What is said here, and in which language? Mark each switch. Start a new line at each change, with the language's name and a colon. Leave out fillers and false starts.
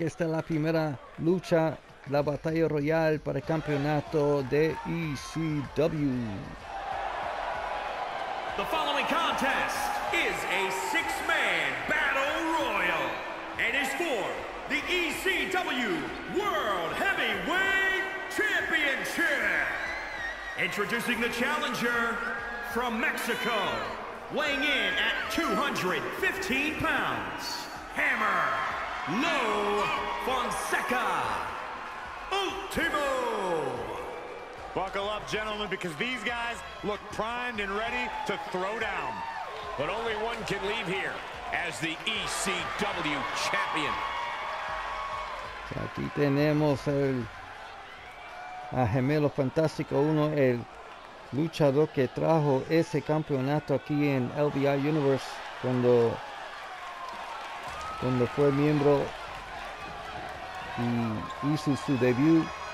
Spanish: Esta es la primera lucha, la batalla royal para el campeonato de ECW.
English: The following contest is a six-man battle royal and is for the ECW World Heavyweight Championship. Introducing the challenger from Mexico, weighing in at 215 pounds. Hammer, Lo Fonseca, Ultimo. Buckle up, gentlemen, because these guys look primed and ready to throw down. But only one can leave here as the ECW champion.
Spanish: Aquí tenemos el a Gemelo Fantástico 1, el luchador que trajo ese campeonato aquí en LBI Universe cuando fue miembro y hizo su debut.